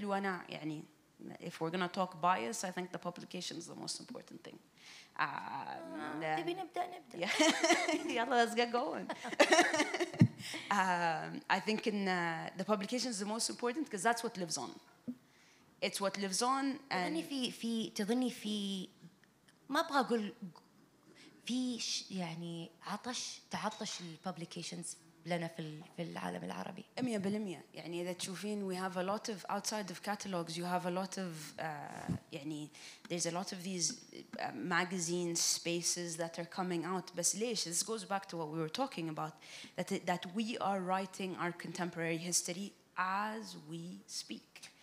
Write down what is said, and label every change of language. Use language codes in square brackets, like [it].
[ar] وانا يعني, [en] if we're gonna talk bias, I think the publication is the most important thing. [ar] نبدأ. [en] Yeah. Let's get going. I think in the publication is the most important because that's what lives on. It's what lives on. [ar] تظني في في تظني في ما أبغى أقول في يعني عطش تعطش ال publications لنا في العالم العربي. [en] 100% [ar] يعني إذا تشوفين [en] we have a lot of outside of catalogs you have a lot of [ar] يعني [en] there's a lot of these magazine spaces that are coming out. [ar] بس ليش? [en] This goes back to what we were talking about that we are writing our contemporary history as we speak.